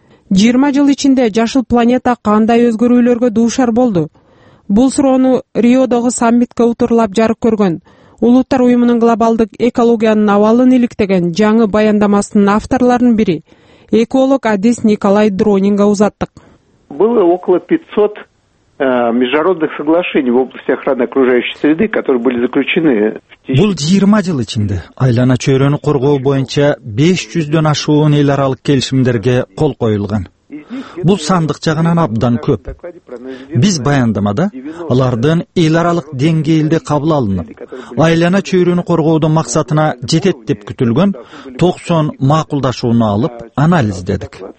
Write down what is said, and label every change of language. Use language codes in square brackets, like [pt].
[ky] 20 жыл ичинде жашыл планета кандай өзгөрүүлөргө дуушар болду? Бул суроону Риодогу саммитке утурлап жарык көргөн Улуттар Уюмунун глобалдык экологиянын абалын иликтеген жаңы баяндамасынын авторлорунун бири эколог Адис Николай Дронинга узаттык. [ru] Было около 500 международных соглашений в области охраны окружающей среды, которые были заключены [ky] Бул 20 жыл ичинде айлана чөйрөнү коргоо боюнча 500 ашуун эл аралык келишимдерге кол коюлган. Бул сандык жагынан абдан көп. Биз баяндамада алардын эл аралык деңгээлде кабыл алынып, айлана чөйрөнү коргоодун максатына жетет деп күтүлгөн 90 макулдашууну алып анализдедик.